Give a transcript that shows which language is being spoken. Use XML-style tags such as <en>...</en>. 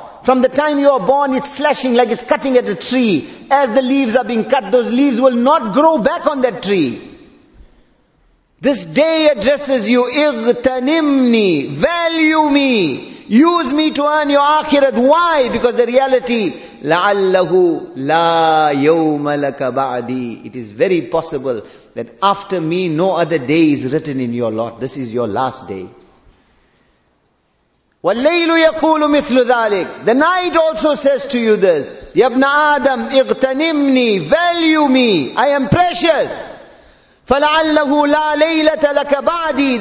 <en>From the time you are born, it's slashing like it's cutting at a tree. As the leaves are being cut, those leaves will not grow back on that tree. This day addresses you,</en> <ar>اغتنمني,</ar> <en>value me. Use me to earn your akhirat. Why? Because the reality,</en> <ar>لَعَلَّهُ لَا يَوْمَ لَكَ بَعْدِي.</ar> <en>It is very possible that after me, no other day is written in your lot. This is your last day.</en> <ar>وَاللَّيْلُ يَقُولُ مِثْلُ ذَلِكَ.</ar> <en>The night also says to you this,</en> <ar>يَبْنَ آدَمْ اِغْتَنِمْنِي.</ar> <en>Value me. I am precious.</en> <ar>فَلَعَلَّهُ لَا لَيْلَةَ لَكَ بَعْدِي.</ar>